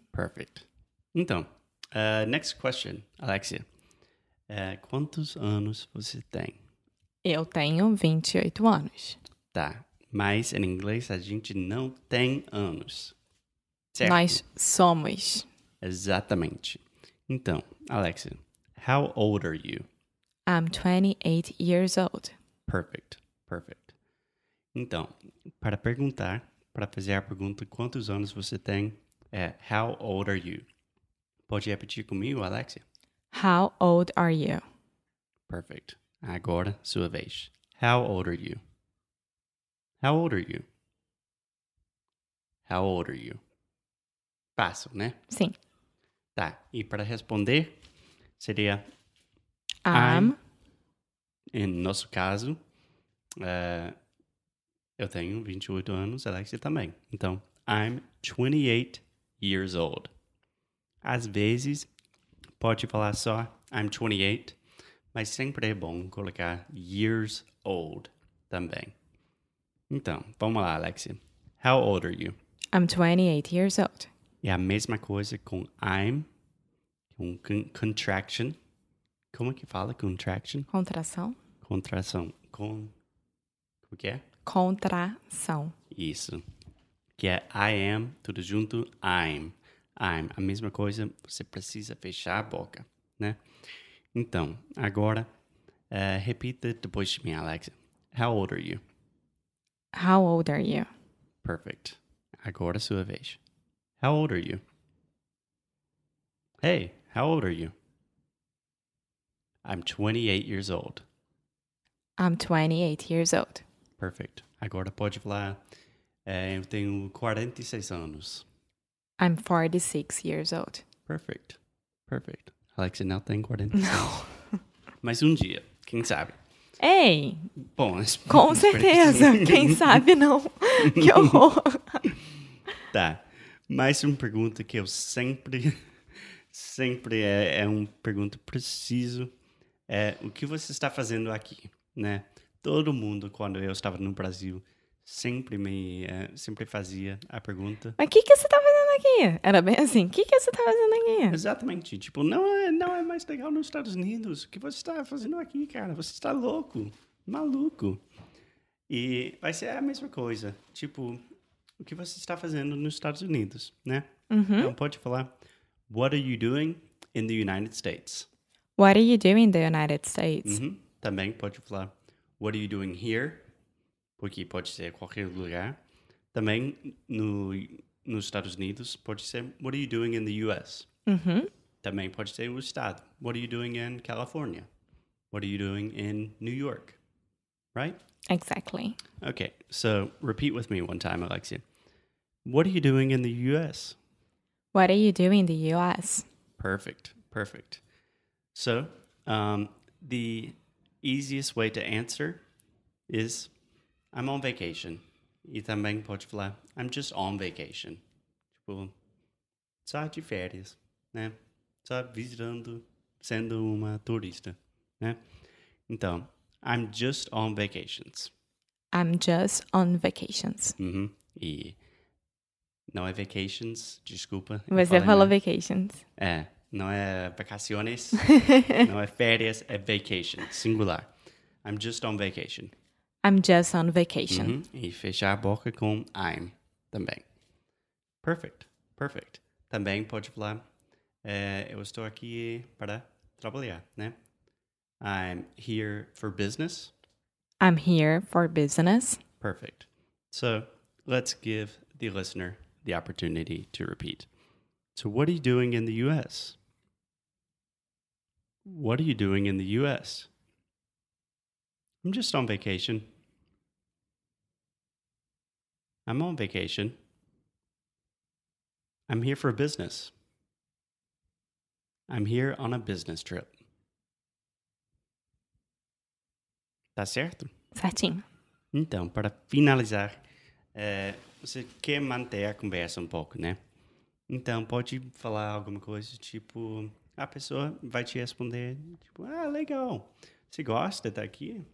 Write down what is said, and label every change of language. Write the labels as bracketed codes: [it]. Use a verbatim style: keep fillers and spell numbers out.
[en] Perfect. Então, uh, next question, Alexia. [pt] Uh, quantos anos você tem? Eu tenho vinte e oito anos. Tá, mas em inglês a gente não tem anos. Certo? Nós somos. Exatamente. Então, [en] Alexia, how old are you? I'm twenty-eight years old. Perfect, perfect. [pt] Então, para perguntar, para fazer a pergunta quantos anos você tem, é [en] how old are you? [pt] Pode repetir comigo, Alexia? [en] How old are you? Perfect. [pt] Agora, sua vez. [en] How old are you? How old are you? How old are you? [pt] Fácil, né? Sim. Tá, e para responder... Seria [en] I'm, [pt] em nosso caso, uh, eu tenho vinte e oito anos, Alexia também. Então, [en] I'm twenty-eight years old. [pt] Às vezes, pode falar só [en] I'm twenty-eight, [pt] mas sempre é bom colocar [en] years old [pt] também. Então, vamos lá, Alexia. [en] How old are you? I'm twenty-eight years old. [pt] É a mesma coisa com I'm, com con- contraction. Como é que fala contraction? Contração? Contração. Com... Como que é? Contração. Isso. Que é [en] I am, [pt] tudo junto, I'm. I'm. A mesma coisa, você precisa fechar a boca, né? Então, agora, eh, repita depois de mim, Alexia. [en] How old are you? How old are you? Perfect. Agora sua vez. How old are you? Hey, how old are you? I'm twenty-eight years old. I'm twenty-eight years old. Perfect. [pt] Agora pode falar, eh, eu tenho quarenta e seis anos. [en] I'm forty-six years old. Perfect. Perfect. [pt] Alexia não tem quarenta e seis. Mas um dia, quem sabe? Ei, Bom, es- com espero que certeza. sim. Quem sabe não. Que horror. Tá. Mais uma pergunta que eu sempre, sempre é, é uma pergunta preciso. É o que você está fazendo aqui, né? Todo mundo, quando eu estava no Brasil, sempre me, eh, sempre fazia a pergunta. Mas o que, que você tá fazendo aqui? Era bem assim, o que, que você tá fazendo aqui? Exatamente. Tipo, não é, não é mais legal nos Estados Unidos. O que você está fazendo aqui, cara? Você está louco, maluco. E vai ser a mesma coisa. Tipo, o que você está fazendo nos Estados Unidos, né? Então pode falar, [en] what are you doing in the United States? What are you doing in the United States? Uhum. [pt] Também pode falar, [en] what are you doing here? [pt] Porque pode ser qualquer lugar. Também no, nos Estados Unidos pode ser, [en] what are you doing in the U S? Uhum. [pt] Também pode ser o estado. [en] What are you doing in California? What are you doing in New York? Right? Exactly. Okay, so repeat with me one time, Alexia. What are you doing in the U S? What are you doing in the U S? Perfect, perfect. So, um, the easiest way to answer is I'm on vacation. [pt] E também pode falar, [en] I'm just on vacation. [pt] Tipo, só de férias, né? Só visitando, sendo uma turista, né? Então, [en] I'm just on vacations. I'm just on vacations. Uhum. [pt] E não é vacations, desculpa. eu Você falei falou mal. [en] vacations. [pt] É, não é vacaciones, não é férias, é vacation, singular. [en] I'm just on vacation. I'm just on vacation. Uhum. [pt] E fechar a boca com I'm também. [en] Perfect, perfect. [pt] Também pode falar, eh, eu estou aqui para trabalhar, né? [en] I'm here for business. I'm here for business. Perfect. So let's give the listener the opportunity to repeat. So, what are you doing in the U S? What are you doing in the U S? I'm just on vacation. I'm on vacation. I'm here for business. I'm here on a business trip. [pt] Tá certo? Certinho. Então, para finalizar, eh, você quer manter a conversa um pouco, né? Então, pode falar alguma coisa, tipo, a pessoa vai te responder, tipo, ah, legal, você gosta daqui?